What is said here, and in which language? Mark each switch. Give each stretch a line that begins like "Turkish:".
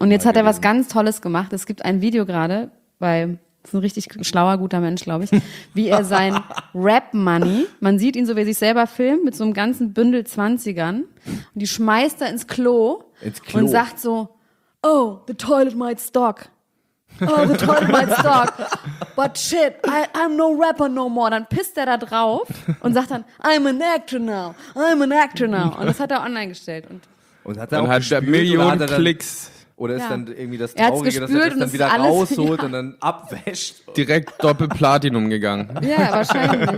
German: Und jetzt hat er was ganz Tolles gemacht. Es gibt ein Video gerade, weil ist ein richtig schlauer, guter Mensch, glaube ich, wie er sein Rap-Money, man sieht ihn so, wie er sich selber filmt, mit so einem ganzen Bündel 20ern, und die schmeißt er ins Klo und sagt so,
English: oh, the toilet might stock. Oh, the toilet might stock. But shit, I'm no rapper no more.
German: Dann pisst er da drauf und sagt dann,
English: I'm an actor now.
German: Und das hat er online gestellt. Und hat er und auch hat Millionen oder hat er Klicks. Dann, oder ist dann irgendwie das Traurige, dass er das dann wieder alles, rausholt und dann abwäscht. Direkt Doppelplatinum gegangen. Ja, wahrscheinlich.